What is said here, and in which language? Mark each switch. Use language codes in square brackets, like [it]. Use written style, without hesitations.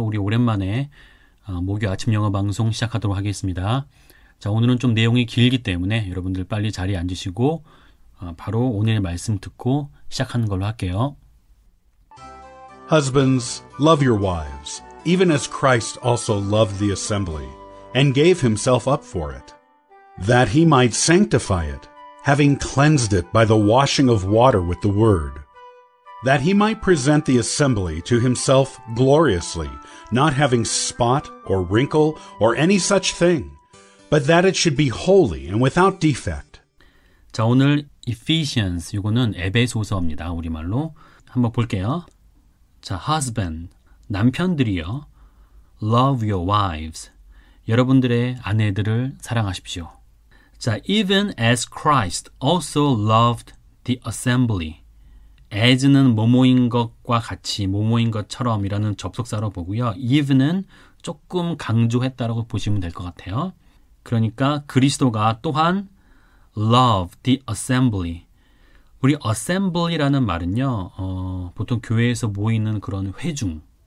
[ko] 우리 오랜만에 목요 아침 영어 방송 시작하도록 하겠습니다. 자, 오늘은 좀 내용이 길기 때문에 여러분들 빨리 자리에 앉으시고 바로 오늘의 말씀 듣고 시작하는 걸로 할게요. [en] Husbands, love your wives, even as Christ also loved the assembly and gave himself up for it, that he might sanctify it, having cleansed it by the washing of water with the word. That he might present the assembly to himself gloriously, not having spot or wrinkle or any such thing, but that it should be holy and without defect. [ko] 자, 오늘 Ephesians 이거는 에베소서입니다. 우리말로 한번 볼게요. 자, husband 남편들이여, [en] love your wives [ko] 여러분들의 아내들을 사랑하십시오. [en] 자, even as Christ also loved the assembly. [ko] as는 뭐뭐인 것과 같이, 뭐뭐인 것처럼이라는 접속사로 보고요. even은 조금 강조했다라고 보시면 될것 같아요. 그러니까 그리스도가 또한 [en] love the assembly. [ko] 우리 assembly라는 말은요, 보통 교회에서 모이는 그런 회중.